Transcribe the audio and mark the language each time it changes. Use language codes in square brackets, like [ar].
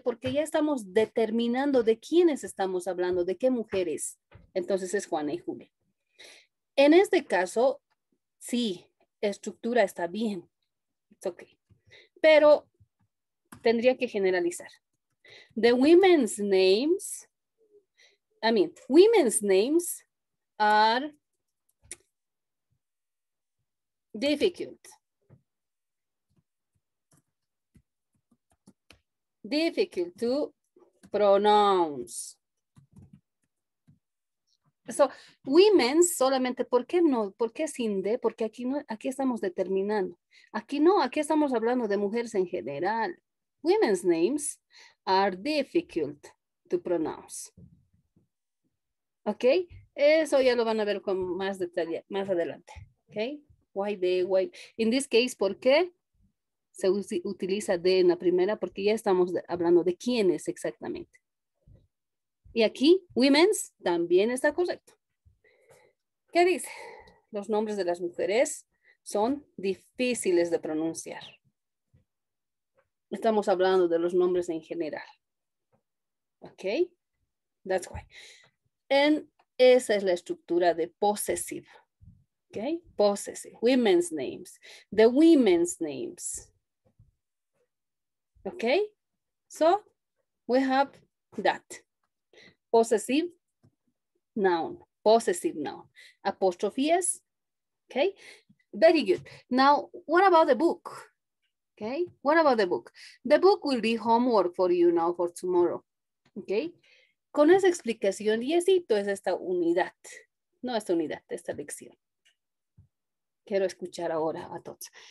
[es] Porque ya estamos determinando de quiénes estamos hablando, de qué mujeres. Entonces es Juana y Julia. En este caso, sí, estructura está bien. [en] It's okay. [es] Pero tendría que generalizar. [en] The women's names, I mean, women's names are difficult. Difficult to pronounce. [es] So, women's solamente, ¿por qué no? ¿Por qué sin de? Porque aquí no, aquí estamos determinando. Aquí no, aquí estamos hablando de mujeres en general. [en] Women's names are difficult to pronounce. Okay? [es] Eso ya lo van a ver con más detalle más adelante. Okay? [en] Why de? Why? In this case, [es] ¿por qué se utiliza de en la primera? Porque ya estamos hablando de quiénes exactamente. Y aquí, women's también está correcto. ¿Qué dice? Los nombres de las mujeres son difíciles de pronunciar. Estamos hablando de los nombres en general. [en] ¿Ok? That's why. And [es] esa es la estructura de [en] possessive. ¿Ok? Possessive. Women's names. The women's names. ¿Ok? So, we have that. Possessive noun. Possessive noun. Apostrophes. Okay. Very good. Now, what about the book? Okay. What about the book? The book will be homework for you now for tomorrow. Okay. [es] Con esa explicación, diecito es esta unidad. No esta unidad, esta lección. Quiero escuchar ahora a todos.